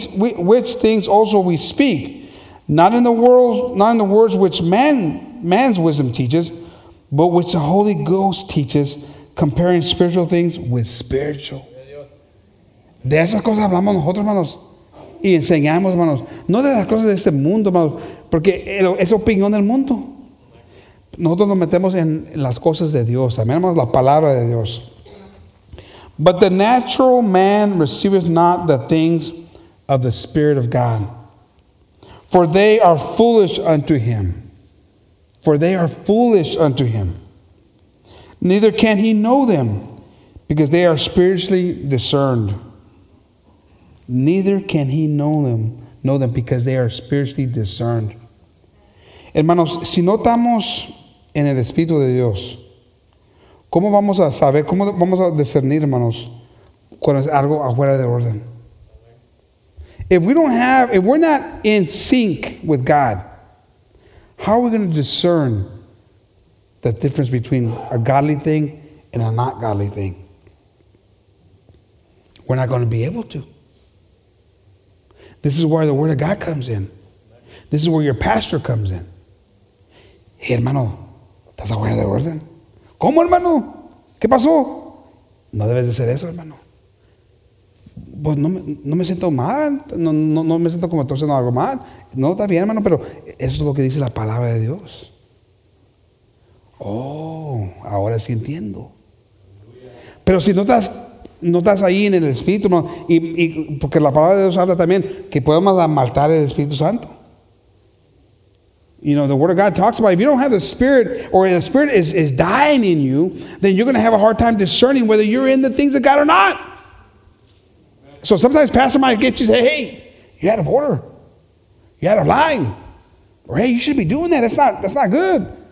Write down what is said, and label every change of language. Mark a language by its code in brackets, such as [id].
[en] Which things also we speak, not in the words which man's wisdom teaches, but which the Holy Ghost teaches, comparing spiritual things with spiritual. [es] De esas cosas hablamos nosotros, hermanos, y enseñamos, hermanos, no de las cosas de este mundo, hermanos, porque es opinión del mundo. Nosotros nos metemos en las cosas de Dios, también, hermanos, la palabra de Dios. [en] But the natural man receiveth not the things of the Spirit of God, for they are foolish unto him. For they are foolish unto him. Neither can he know them, because they are spiritually discerned. Neither can he know them, because they are spiritually discerned. [es] Hermanos, si no estamos en el Espíritu de Dios, ¿cómo vamos a saber, cómo vamos a discernir, hermanos, cuando es algo afuera de orden? [en] If we're not in sync with God, how are we going to discern the difference between a godly thing and a not godly thing? We're not going to be able to. This is where the Word of God comes in. This is where your pastor comes in. Hey, [es] hermano, ¿estás afuera de orden? ¿Cómo, hermano? ¿Qué pasó? No debes de hacer eso, hermano. Pues no me siento mal. No me siento como estoy haciendo algo mal. No, está bien, hermano, pero eso es lo que dice la palabra de Dios. Oh, ahora sí entiendo. Pero si no estás ahí en el Espíritu, hermano, y porque la palabra de Dios habla también que podemos amaltar el Espíritu Santo. [en] You know, the Word of God talks about if you don't have the Spirit, or the Spirit is dying in you, then you're going to have a hard time discerning whether you're in the things of God or not. So sometimes pastor might get you and say, hey, you're out of order. You're out of line. Or, hey, you should be doing that. That's not good.